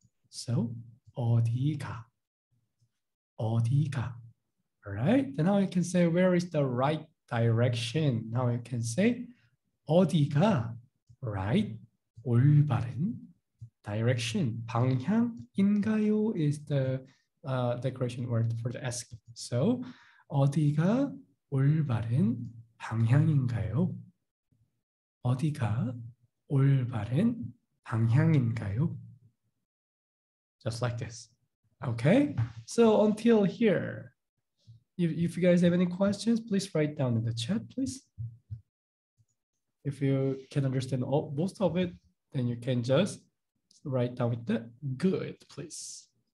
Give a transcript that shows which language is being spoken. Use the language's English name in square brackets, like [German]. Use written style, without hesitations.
[English] So, [Korean] 어디가. 어디가. [English] Alright. Then now you can say, where is the right direction? Now you can say, [Korean] 어디가. [English] Right. [Korean] 올바른 [English] direction. [Korean] 방향인가요 [English] is the declaration word for the ask. [Korean] So, 어디가 올바른 방향인가요? 어디가 올바른 방향인가요? [English] Just like this. Okay? So, until here, if you guys have any questions, please write down in the chat, please. If you can understand most of it, then you can just write down with the good, please.